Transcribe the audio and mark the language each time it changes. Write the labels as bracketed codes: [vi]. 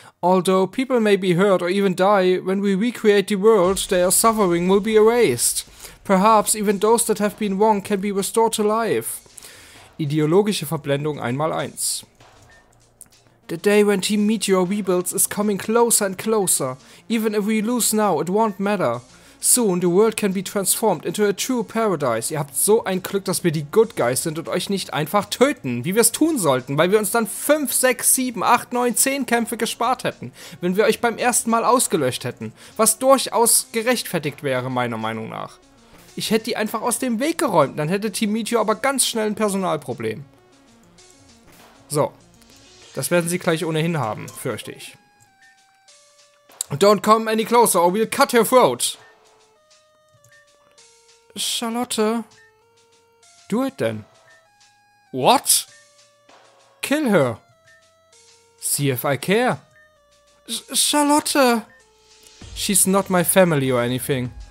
[en] Although people may be hurt or even die, when we recreate the world, their suffering will be erased. Perhaps even those that have been wrong can be restored to life. [de] Ideologische Verblendung 1x1. [en] The day when Team Meteor rebuilds is coming closer and closer. Even if we lose now, it won't matter. Soon the world can be transformed into a true paradise. [de] Ihr habt so ein Glück, dass wir die Good Guys sind und euch nicht einfach töten, wie wir es tun sollten, weil wir uns dann 5, 6, 7, 8, 9, 10 Kämpfe gespart hätten, wenn wir euch beim ersten Mal ausgelöscht hätten. Was durchaus gerechtfertigt wäre, meiner Meinung nach. Ich hätte die einfach aus dem Weg geräumt, dann hätte Team Meteor aber ganz schnell ein Personalproblem. So, das werden sie gleich ohnehin haben, fürchte ich. [en] Don't come any closer or we'll cut your throat. Charlotte, do it then. What? Kill her. See if I care. Charlotte. She's not my family or anything.